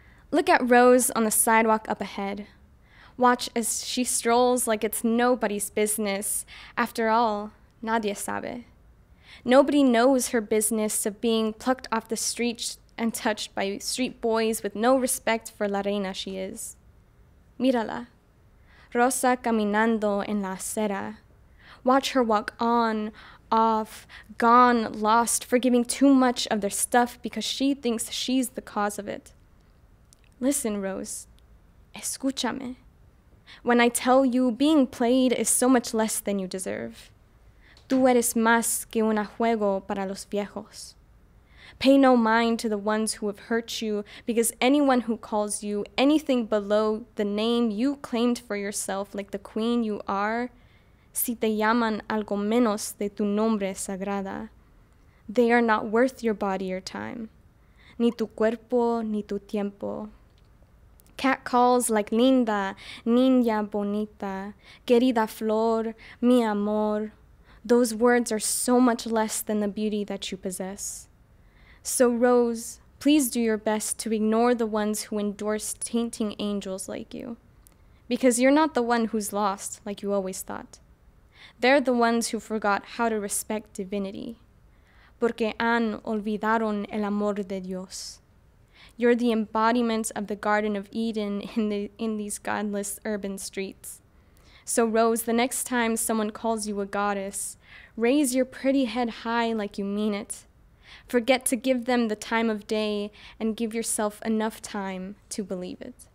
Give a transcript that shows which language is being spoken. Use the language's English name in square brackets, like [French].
[English] Look at Rose on the sidewalk up ahead. Watch as she strolls like it's nobody's business. After all, [Spanish] nadie sabe. [English] Nobody knows her business of being plucked off the street and touched by street boys with no respect for [Spanish] la reina [English] she is. [Spanish] Mírala. Rosa caminando en la acera. [English] Watch her walk on, off, gone, lost, for giving too much of their stuff because she thinks she's the cause of it. Listen, Rose. [Spanish] Escúchame. [English] When I tell you being played is so much less than you deserve. [Spanish] Tú eres más que un juego para los viejos. [English] Pay no mind to the ones who have hurt you, because anyone who calls you anything below the name you claimed for yourself like the queen you are, [Spanish] si te llaman algo menos de tu nombre sagrada, [English] they are not worth your body or time, [Spanish] ni tu cuerpo ni tu tiempo. [English] Cat calls like [Spanish] linda, niña bonita, querida flor, mi amor, [English] those words are so much less than the beauty that you possess. So Rose, please do your best to ignore the ones who endorse tainting angels like you. Because you're not the one who's lost, like you always thought. They're the ones who forgot how to respect divinity. [Spanish] Porque han olvidaron el amor de Dios. [English] You're the embodiment of the Garden of Eden in these godless urban streets. So Rose, the next time someone calls you a goddess, raise your pretty head high like you mean it. Forget to give them the time of day and give yourself enough time to believe it.